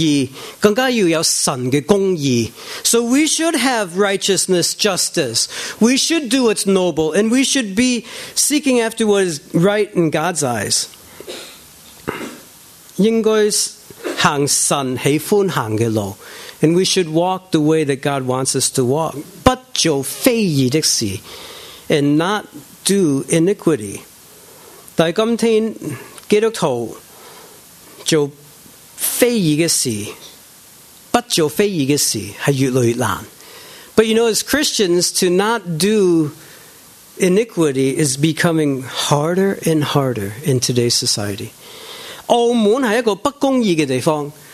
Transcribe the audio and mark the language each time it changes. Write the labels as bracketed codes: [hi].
[zh] 我们要正义感,是不是道义,更加要有神的公义? [en] So we should have righteousness, justice. We should do what's noble, and we should be seeking after what is right in God's eyes. [zh] 应该行神喜欢行的路. [en] And we should walk the way that God wants us to walk. [zh] 不做非义的事, [en] and not do iniquity. [zh] 但今天基督徒做非义的事,不做非义的事是越来越难. [en] But you know, as Christians, to not do iniquity is becoming harder and harder in today's society. [zh] 澳门是一个不公义的地方.